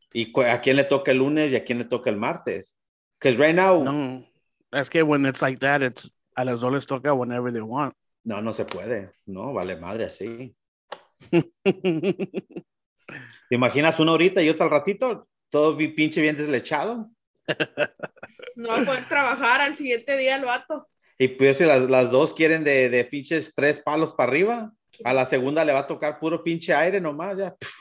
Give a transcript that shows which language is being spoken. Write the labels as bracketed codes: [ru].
[es] ¿Y a quién le toca el lunes y a quién le toca el martes? [en] Because right now... No, that's good. When it's like that, it's [es] a las dos les toca [en] whenever they want. [es] No, no se puede. No, vale madre, sí. ¿Te imaginas una horita y otra al ratito? Todo pinche bien deslechado. No va a poder trabajar al siguiente día el vato. Y pues si las dos quieren de pinches tres palos para arriba, a la segunda le va a tocar puro pinche aire nomás, ya.